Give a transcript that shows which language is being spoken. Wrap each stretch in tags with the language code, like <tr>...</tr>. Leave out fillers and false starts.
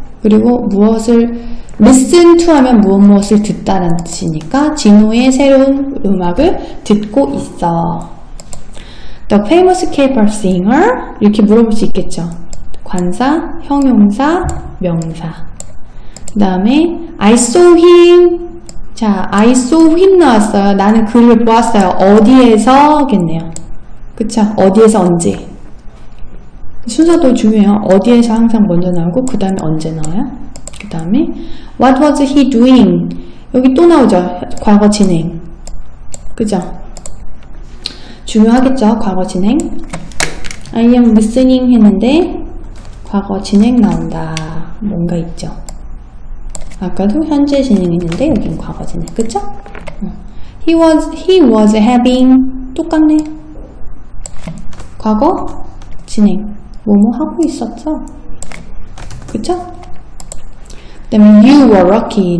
<ko>그리고 무엇을</ko> <en>listen to</en> <ko>하면 무엇을 듣다라는 뜻이니까 진호의 새로운 음악을 듣고 있어.</ko> <en>The famous K-pop singer</en> <ko>이렇게 물어볼 수 있겠죠. 관사, 형용사, 명사. 그 다음에</ko> <en>I saw him. 자, I saw him</en> <ko>나왔어요. 나는 그를 보았어요. 어디에서겠네요. 그쵸? 어디에서 언제. 순서도 중요해요. 어디에서 항상 먼저 나오고 그 다음에 언제 나와요. 그 다음에</ko> <en>What was he doing?</en> <ko>여기 또 나오죠. 과거 진행. 그죠? 중요하겠죠. 과거 진행.</ko> <en>I am listening</en> <ko>했는데 과거 진행 나온다. 뭔가 있죠. 아까도 현재 진행했는데 여긴 과거 진행. 그죠?</ko> <en>He was having</en> <ko>똑같네. 과거 진행. 뭐뭐 하고 있었죠? 그쵸? 그 다음에</ko> <en>You were lucky.</en>